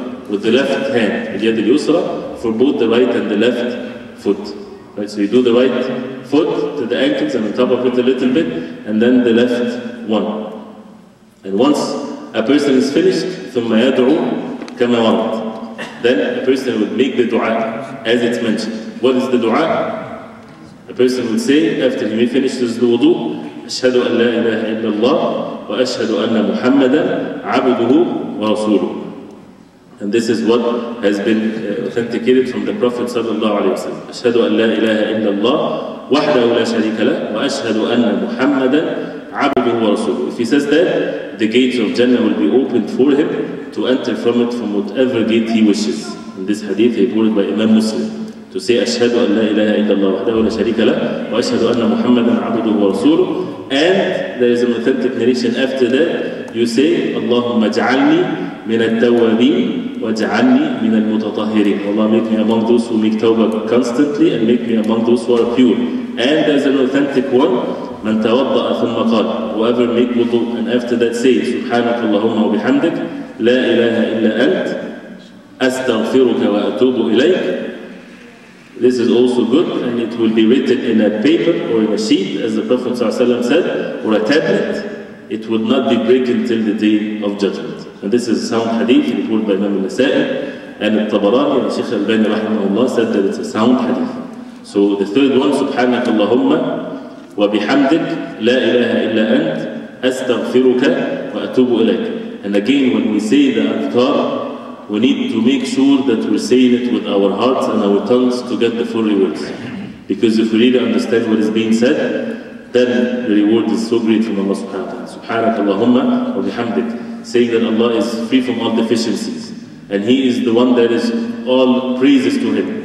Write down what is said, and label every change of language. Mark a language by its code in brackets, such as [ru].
[en] With the left hand. [ar] Al-yad al-yusra [en] for both the right and the left foot. Right? So you do the right foot to the ankles and on top of it a little bit and then the left one. And once a person is finished, [ar] ثُمَّ يَدْعُوا كَمَا وَرَدْ. [en] Then a person would make the dua as it's mentioned. What is the dua? A person would say after he finishes the wudu, [ar] أَشْهَدُ أَنْ لَا إِلَهَ إِلَّا اللَّهُ وَأَشْهَدُ أَنَّ مُحَمَّدًا عَبْدُهُ وَرَسُولُهُ. [en] And this is what has been authenticated from the Prophet [ar] صلى الله عليه وسلم. أَشْهَدُ أَنْ لَا إِلَهَ إِلَّا اللَّهُ وَحْدَهُ لَا شَرِيكَ لَهُ وَأَشْهَدُ أَنَّ مُحَمَّدًا عَبْدُهُ وَرَسُولُهُ. [en] If he says that, the gates of Jannah will be opened for him to enter from it from whatever gate he wishes. In this hadith, he quoted by Imam Muslim to say, [ar] أَشْهَدُ أَنْ لَا إِلَهَ إِلَّا اللَّهُ وَحْدَهُ لَا شَرِيكَ لَهُ وَأَشْهَدُ أَنَّ مُحَمَّدًا عَبْدُهُ وَرَسُولُهُ. [en] And there is an authentic narration after that. You say, [ar] اللَّهُمَّ اجْعَلْنِي مِنَ التَّوَّابِينَ وَاجْعَلْنِي مِنَ الْمُتَطَهِّرِينَ. [en] Allah, make me among those who make tawbah constantly and make me among those who are pure. And there is an authentic one. [ar] مَنْ تَوَضَّأَ ثُمَّ قَالَ. [en] Whoever make wudu and after that say, [ar] سبحانك اللهم وبحمدك لا إله إلا أنت أستغفرك وأتوب إليك. [en] This is also good, and it will be written in a paper or in a sheet, as the Prophet ﷺ said, or a tablet. It would not be broken till the day of judgment. And this is a sound hadith reported by Imam Nasa'i and Al-Tabarani, and Sheikh Al-Bani rahimahullah said that it's a sound hadith. So the third one, [ar] سبحانك اللهم وبحمدك لا إله إلا أنت أستغفرك وأتوب إليك. [en] And again, when we say the adhkar, we need to make sure that we're saying it with our hearts and our tongues to get the full rewards. Because if we really understand what is being said, then the reward is so great from Allah subhanahu wa ta'ala. [ar] سبحانك اللهم وبحمدك. [en] Saying that Allah is free from all deficiencies. And He is the one that is all praises to Him.